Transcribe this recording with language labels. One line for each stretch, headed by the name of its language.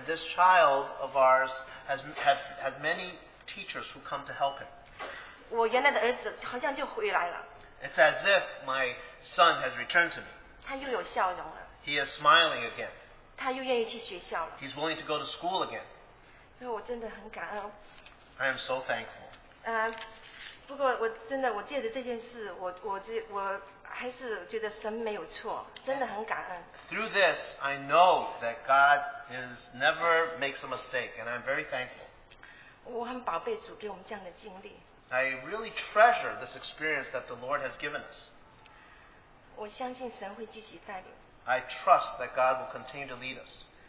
English: And this child of ours has many teachers who come to help him.
Chinese: 我原来的儿子好像就回来了。
English: It's as if my son has returned to me.
Chinese: 他又有笑容了。
English: He is smiling again.
Chinese: 他又愿意去学校了。
English: He's willing to go to school again.
Chinese: 所以我真的很感恩。
English: I am so thankful.
Chinese: 不过我真的我借着这件事，我还是觉得神没有错，真的很感恩。
English: Through this, I know that God is never makes a mistake, and I'm very thankful.
Chinese: 我很宝贝主给我们这样的经历。
English: I really treasure this experience that the Lord has given us.
Chinese: 我相信神会继续带领。
English: I trust that God will continue to lead us.